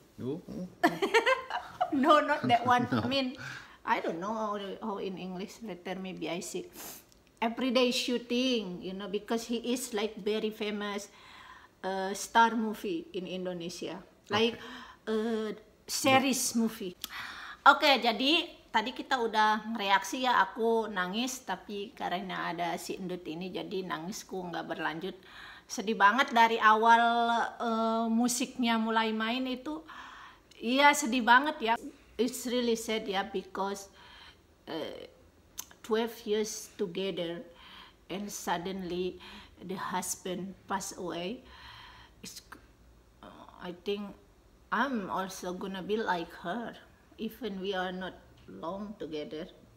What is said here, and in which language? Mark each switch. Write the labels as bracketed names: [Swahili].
[English] No, not that one. No. I mean, I don't know how in English, later maybe I see. Everyday shooting, you know, because he is like very famous star movie in Indonesia. Like series movie. [Indonesian] Okay, jadi tadi kita udah reaksi ya, aku nangis, tapi karena ada si Endut ini, jadi nangisku nggak berlanjut. Sedih banget dari awal musiknya mulai main itu. Iya, sedih banget ya. [English] It's really sad ya, because 12 years together and suddenly the husband passed away. I think I'm also gonna be like her, even we are not long together.